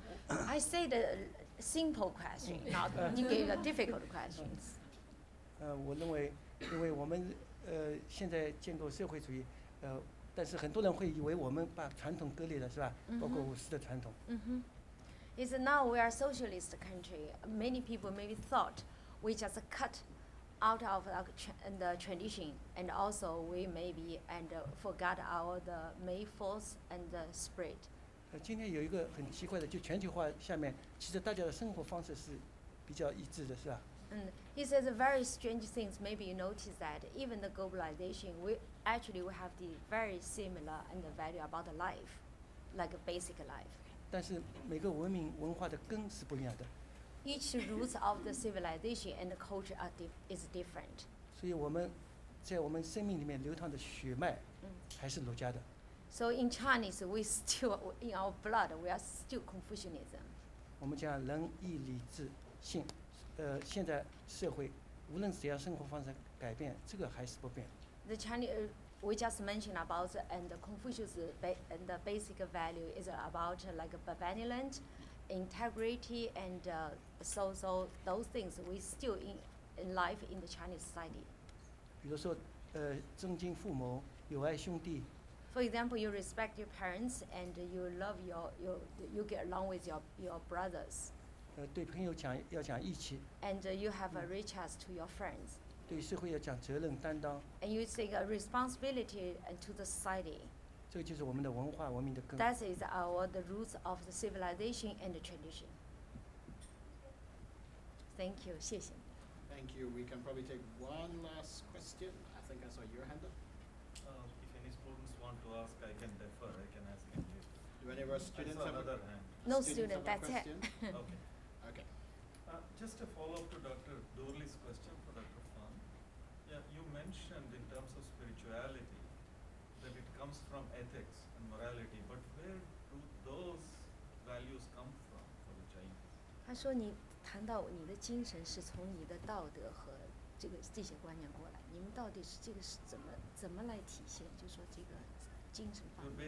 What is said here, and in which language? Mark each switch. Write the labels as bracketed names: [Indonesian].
[English] I say the simple question, not you gave a difficult questions. [Chinese] 我认为，因为我们现在建构社会主义，但是很多人会以为我们把传统割裂了，是吧？包括五四的传统。 [English] Is now we are socialist country. Many people maybe thought. We just cut out of the tradition, and also we maybe and forgot our the May 4th and the spirit. [Chinese] 今天有一个很奇怪的，就全球化下面，其实大家的生活方式是比较一致的，是吧？ [English] He says very strange things. Maybe you notice that even the globalization, we have the very similar and the value about the life, like a basic life. [Chinese] 但是每个文明文化的根是不一样的。 [English] Each roots of the civilization and the culture are is different. [Chinese] 所以我们在我们生命里面流淌的血脉还是儒家的。 [English] So in Chinese, we still in our blood, we are still Confucianism. [Chinese] 我们讲仁义礼智信，现在社会无论怎样生活方式改变，这个还是不变。 [English] The Chinese we just mentioned about and Confucius and the basic value is about like benevolent.Integrity and so those things we still in in life in the Chinese society. [Chinese] 比如说, 正经父母, 有爱兄弟, [English] for example, you respect your parents and you love you get along with your brothers. [Chinese] 对朋友讲, 要讲义气, [English] and you have a reach out to your friends. [Chinese] 对社会要讲责任, [English] and you take a responsibility to the society. [Chinese] 这就是我们的文化, [English] that is our the roots of the civilization and the tradition. Thank you. [Chinese] 谢谢. [English] Thank you. We can probably take one last question. I think I saw your hand up. If any students want to ask, I can defer. I can ask you. Do any of our students have another hand? No student. That's question? It. Okay. Just a follow-up to Dr. Doorly's question for Dr. Fan. Yeah, you mentioned in terms of spirituality that it comes from ethics and morality, but where do those values come from for the Chinese? [Chinese] 谈到你的精神是从你的道德和这个这些观念过来，你们到底是这个是怎么来体现？就说这个精神方面。 [English] You're